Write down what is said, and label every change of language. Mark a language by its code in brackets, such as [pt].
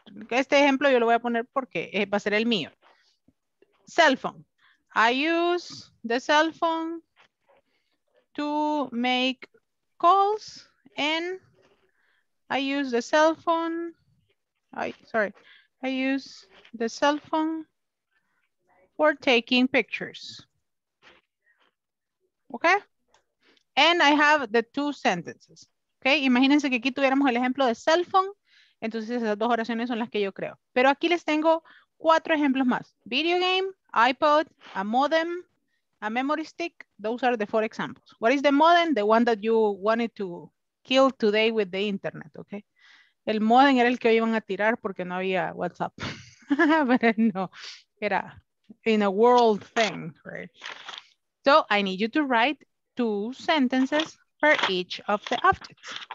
[es] Este ejemplo yo lo voy a poner porque va a ser el mío. [en] Cell phone. I use the cell phone to make calls and I use the cell phone, I use the cell phone for taking pictures. Okay? And I have the two sentences. Okay? [es] Imagínense que aquí tuviéramos el ejemplo de cell phone, entonces esas dos oraciones son las que yo creo. Pero aquí les tengo cuatro ejemplos más. [en] Video game, iPod, a modem, a memory stick, those are the four examples. What is the modem? The one that you wanted to kill today with the internet, okay? [es] El modem era el que iban a tirar porque no había WhatsApp. [en] But no, era in a world thing, right? So I need you to write two sentences for each of the objects.